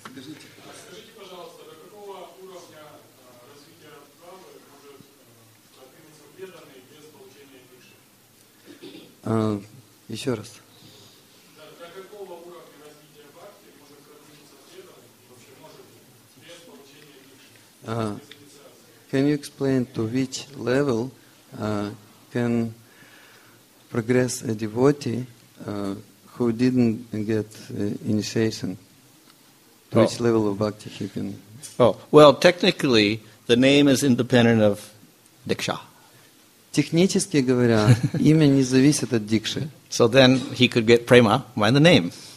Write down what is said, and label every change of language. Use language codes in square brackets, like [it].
[ru] Скажите, пожалуйста, до какого уровня развития бхавы может продвинуться преданный без получения дикши? Еще раз. До какого уровня развития бхакти может продвинуться преданный, вообще может, без получения дикши? [en] Can you explain to which level can progress a devotee who didn't get initiation, to which level of bhakti you can... Oh, well, technically, the name is independent of diksha. [ru] Технически говоря, имя не зависит от дикши. [en] So then he could get prema by the name.